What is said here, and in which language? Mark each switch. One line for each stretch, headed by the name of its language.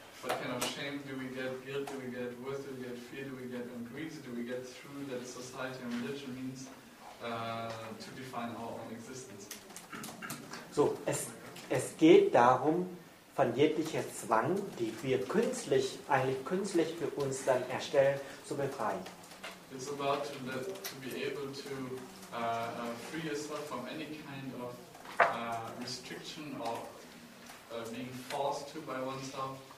English: What kind of shame do we get, guilt do we get, worth do we get, fear do we get, and greed do we get through that society and religion means to define our own existence?
German: So, es geht darum, von jeglicher Zwang, die wir künstlich für uns dann erstellen, zu befreien.
English: It's about to be able to free yourself from any kind of restriction or being forced to by oneself.